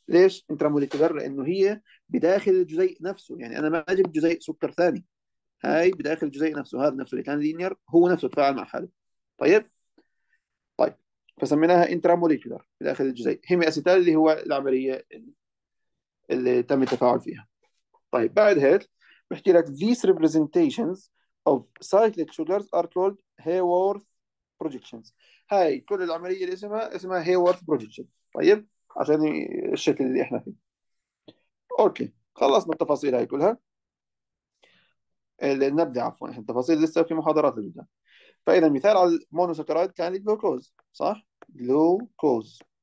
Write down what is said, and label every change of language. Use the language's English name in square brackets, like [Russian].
[Arabic] ليش انترا موليكولار؟ لانه هي بداخل الجزيء نفسه، يعني انا ما اجيب جزيء سكر ثاني، هاي بداخل الجزيء نفسه، هذا نفسه اللي كان لينير هو نفسه تفاعل مع حاله. طيب طيب فسميناها انترا موليكولار بداخل الجزيء، هيمي اسيتال اللي هو العمليه اللي تم التفاعل فيها. طيب بعد هيك بحكي لك [English] these representations of cyclic sugars are called Hayworth projections. [Arabic] هاي كل العمليه اللي اسمها Hayworth projection. طيب عشان الشكل اللي احنا فيه. اوكي خلصنا التفاصيل هاي كلها اللي نبدا، عفوا احنا التفاصيل لسه في محاضرات الجدا. فاذا مثال على المونوساكرايد كان الجلوكوز صح؟ جلوكوز.